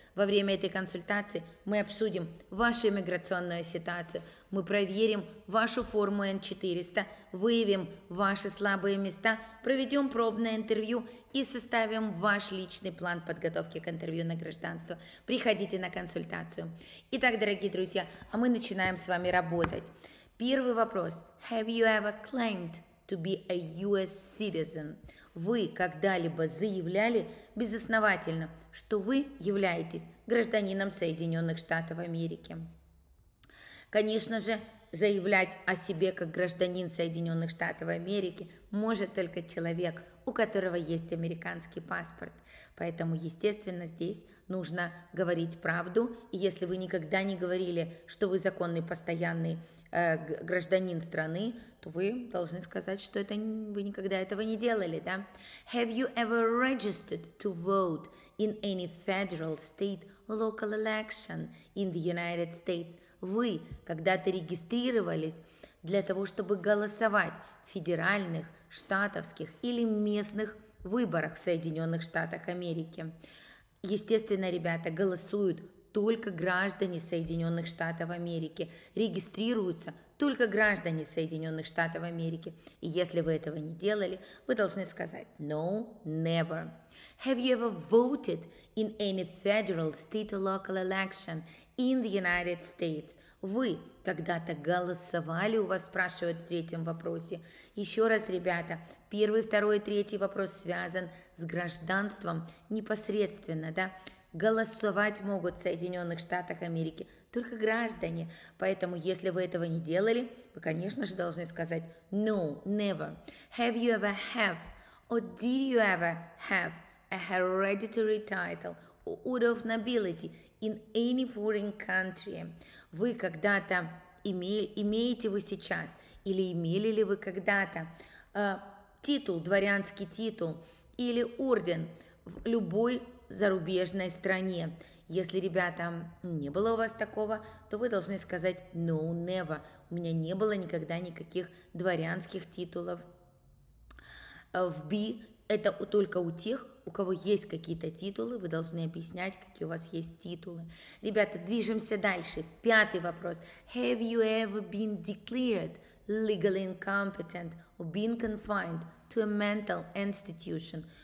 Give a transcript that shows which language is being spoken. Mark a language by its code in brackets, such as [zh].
[ru] Во время этой консультации мы обсудим вашу иммиграционную ситуацию, мы проверим вашу форму N-400, выявим ваши слабые места, проведем пробное интервью и составим ваш личный план подготовки к интервью на гражданство. Приходите на консультацию. Итак, дорогие друзья, а мы начинаем с вами работать. Первый вопрос. [en] Have you ever claimed to be a US citizen? [ru] Вы когда-либо заявляли безосновательно, что вы являетесь гражданином Соединенных Штатов Америки? Конечно же, заявлять о себе как гражданин Соединенных Штатов Америки может только человек, у которого есть американский паспорт. Поэтому, естественно, здесь нужно говорить правду. И если вы никогда не говорили, что вы законный постоянный гражданин страны, то вы должны сказать, что это вы никогда этого не делали, да? [en] Have you ever registered to vote in any federal, state, local election in the United States? [ru] Вы когда-то регистрировались для того, чтобы голосовать в федеральных, штатовских или местных выборах в Соединенных Штатах Америки? Естественно, ребята, голосуют только граждане Соединенных Штатов Америки, регистрируются только граждане Соединенных Штатов Америки. И если вы этого не делали, вы должны сказать [en] «No, never». Have you ever voted in any federal, state or local election in the United States? [ru] Вы когда-то голосовали, у вас спрашивают в третьем вопросе. Еще раз, ребята, первый, второй и третий вопрос связан с гражданством непосредственно, да? Голосовать могут в Соединенных Штатах Америки только граждане. Поэтому, если вы этого не делали, вы, конечно же, должны сказать [en] «No, never». Have you ever have or did you ever have a hereditary title or order of nobility in any foreign country? [ru] Вы когда-то имеете вы сейчас или имели ли вы когда-то титул, дворянский титул или орден в любой зарубежной стране? Если, ребята, не было у вас такого, то вы должны сказать [en] «No, never». [ru] У меня не было никогда никаких дворянских титулов. В B это только у тех, у кого есть какие-то титулы, вы должны объяснять, какие у вас есть титулы. Ребята, движемся дальше. Пятый вопрос. [en] Have you ever been declared legally incompetent or been confined to a mental institution?